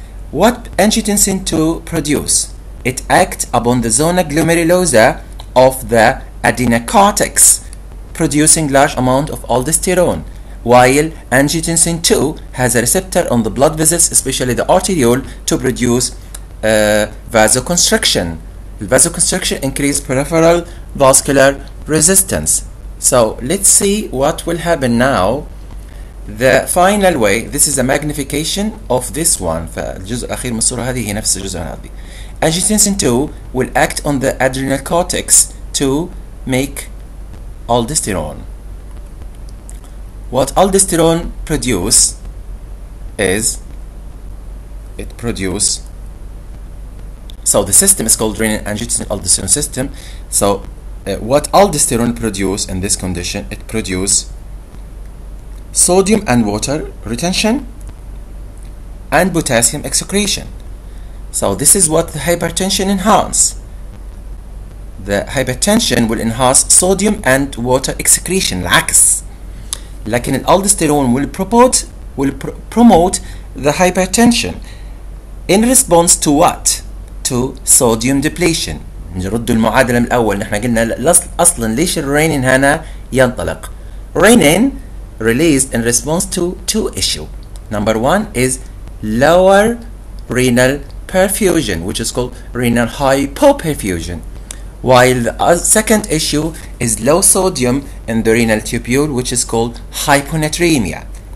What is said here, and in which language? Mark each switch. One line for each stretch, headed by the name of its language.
English: What angiotensin 2 produce? It acts upon the zona glomerulosa of the adrenocortex, producing large amount of aldosterone, while angiotensin 2 has a receptor on the blood vessels, especially the arteriole, to produce vasoconstriction. The vasoconstriction increase peripheral vascular resistance. So let's see what will happen now. The final way, this is a magnification of this one.
Arabic: فالجزء الأخير من الصورة هذه هي نفس الجزء هذه.
English: Angiotensin 2 will act on the adrenal cortex to make aldosterone. What aldosterone produce is, it produce, so the system is called renin angiotensin aldosterone system. So what aldosterone produce in this condition, it produce sodium and water retention and potassium excretion. So this is what the hypertension enhance. The hypertension will enhance sodium and water excretion.
Arabic: العكس. لكن الالدستيرون
English: will promote the hypertension in response to what? To sodium depletion.
Arabic: نرد المعادلة من الأول. نحن قلنا أصلا ليش الرينين هنا ينطلق.
English: Renin released in response to two issue. Number one is lower renal perfusion, which is called renal hypoperfusion, while the second issue is low sodium in the renal tubule, which is called hyponatremia.